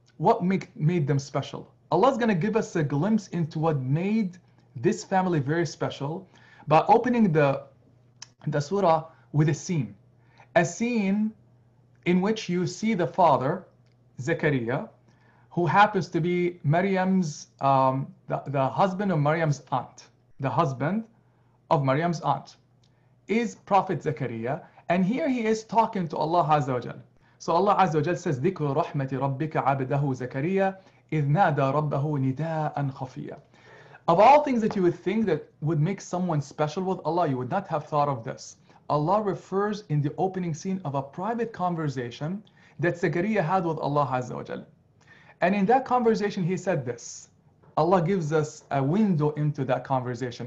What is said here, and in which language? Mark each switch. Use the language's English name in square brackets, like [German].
[English] What made them special? Allah's going to give us a glimpse into what made this family very special by opening the surah with a scene in which you see the father, Zakaria, who happens to be Maryam's, the husband of Maryam's aunt, the husband of Maryam's aunt, is Prophet Zakaria. And here he is talking to Allah Azza wa Jal. [Arabic] So Allah Azza wa Jal says, ذِكْرُ رَحْمَةِ رَبِّكَ عَبْدَهُ زَكَرِيَا إِذْ نَادَى رَبَّهُ نِدَاءً خَفِيًّا. [English] Of all things that you would think that would make someone special with Allah, you would not have thought of this. Allah refers in the opening scene of a private conversation that Zakaria had with Allah Azza wa Jal. And in that conversation, he said this. Allah gives us a window into that conversation.